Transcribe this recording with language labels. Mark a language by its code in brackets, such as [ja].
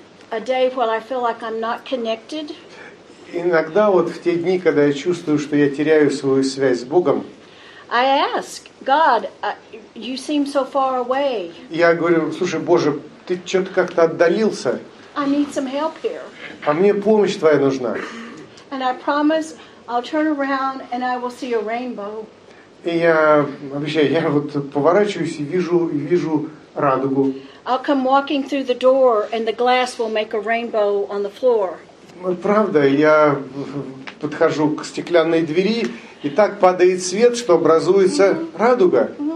[en] a day when I feel like I'm not connected. [ru] Иногда вот в те дни, когда я чувствую, что я теряю свою связь с Богом, [en] I ask God, you seem so far away. [ru] Я говорю, слушай, Боже, ты что-то как-то отдалился. [en] I need some help here. [ru] А мне помощь твоя нужна. [en] And I promise I'll turn around and I will see a rainbow. [ru] И я обещаю, я вот поворачиваюсь и вижу радугу. [en] I'll come walking through the door and the glass will make a rainbow on the floor. [ru] Правда, я подхожу к стеклянной двери, и так падает свет, что образуется радуга.